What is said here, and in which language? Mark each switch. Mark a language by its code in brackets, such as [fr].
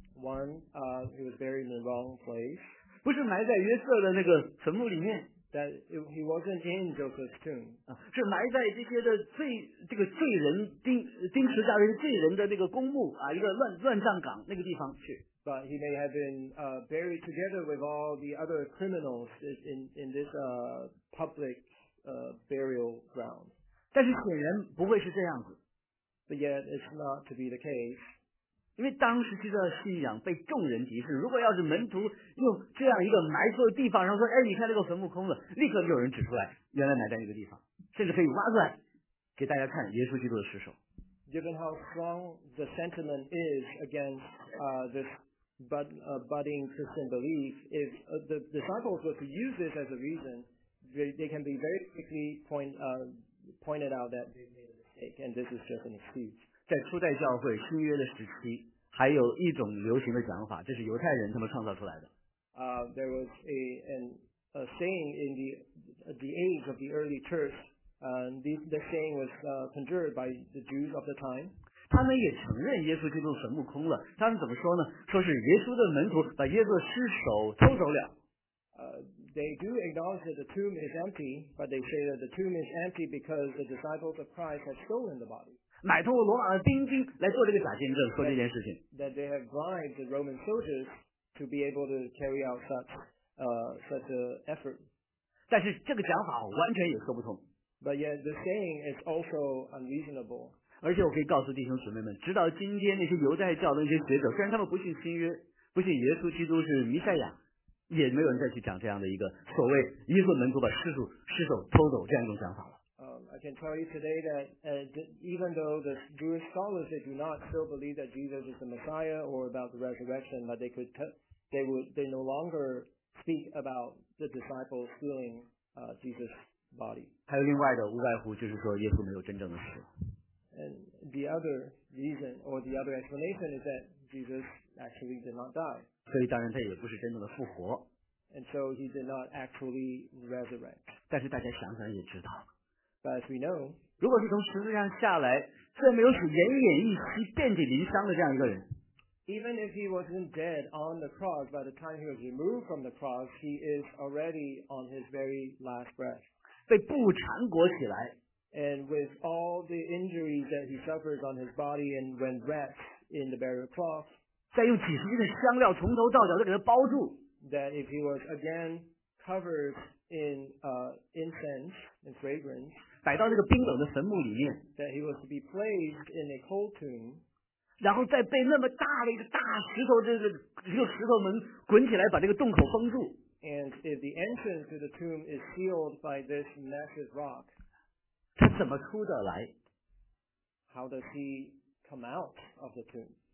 [en] One, he was buried in the wrong place. [zh] 不是埋在约瑟的那个坟墓里面。 [en] That he wasn't in Joseph's tomb. [zh] 是埋在这些的罪这个罪人钉十字架的罪人的那个公墓啊，一个乱葬岗那个地方去。 [en] But he may have been buried together with all the other criminals in this public burial ground. [zh] 但是显然不会是这样子。 [en] But yet it's not to be the case. [zh] 因为当时基督的信仰被众人敌视，如果要是门徒用这样一个埋错的地方，然后说，哎，你看这个坟墓空了，立刻就有人指出来，原来埋在一个地方，甚至可以挖出来给大家看耶稣基督的尸首。 [en] Given how strong the sentiment is against this budding Christian belief, if the disciples were to use this as a reason, they can be very quickly pointed out that they made a mistake, and this is just an excuse. [zh] 在初代教会新约的时期，还有一种流行的讲法，这是犹太人他们创造出来的。 [en] There was a saying in the age of the early church, and the saying was conjured by the Jews of the time. [zh] 他们也承认耶稣基督坟墓空了，他们怎么说呢？说是耶稣的门徒把耶稣的尸首偷走了。 [en] They do acknowledge that the tomb is empty, but they say that the tomb is empty because the disciples of Christ have stolen the body. [zh] 买通了罗马的兵丁来做这个假见证，说这件事情。 [en] That they have bribed the Roman soldiers to be able to carry out such an effort. [zh] 但是这个讲法完全也说不通。 [en] But yet the saying is also unreasonable. [zh] 而且我可以告诉弟兄姊妹们，直到今天那些犹太教的那些学者，虽然他们不信新约，不信耶稣基督是弥赛亚。也没有人再去讲这样的一个所谓耶稣门徒把尸首偷走这样一种讲法了。 [en] I can tell you today that even though the Jewish scholars do not still believe that Jesus is the Messiah or about the resurrection, but they no longer speak about the disciples stealing Jesus' body. [zh] 还有另外的无外乎就是说耶稣没有真正的死。 [en] And the other reason or the other explanation is that Jesus actually did not die. [zh] 所以当然他也不是真正的复活。 [en] And so he did not actually resurrect. [zh] 但是大家想想也知道。 [en] But as we know, [zh] 如果是从十字架上下来，却没有死，奄奄一息，遍体鳞伤的这样一个人。 [en] Even if he wasn't dead on the cross, by the time he was removed from the cross, he is already on his very last breath. [zh] 被布缠裹起来。 [en] And with all the injuries that he suffers on his body and when wrapped in the burial cloth, [zh] 再用几十斤的香料从头到脚都给他包住。 [en] That if he was again covered in incense and fragrance, [zh] 摆到那个冰冷的坟墓里面。 [en] That he was to be placed in a cold tomb, [zh] 然后再被那么大的一个大石头，这个石头门滚起来，把这个洞口封住。 [en] And if the entrance to the tomb is sealed by this massive rock, [zh] 他怎么出得来 [en] ？How does he come out of the tomb？